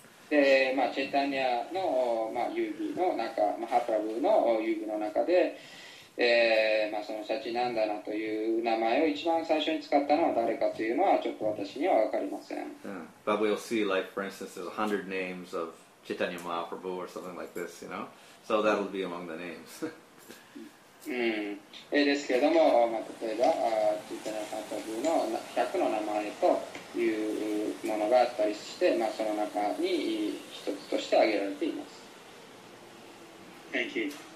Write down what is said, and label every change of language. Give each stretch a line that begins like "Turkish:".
Japanese: で、まあ、チェイタニアの、まあ、遊戯の中マハプラブの遊戯の中でまあ、そのシャチナンダナという名前を一番最初に使ったのは誰かというのはちょっと私には分かりません。
English: Yeah. But we'll see, like, for instance, there's 100 names of Chaitanya Mahaprabhu or something like this, you know? So that'll be among the names.
Japanese: 、ですけれども、まあ、例えば、チタニア・マハプラブの100の名前というものがあったりして、まあ、その中に一つとして挙げられています。
English: Thank you.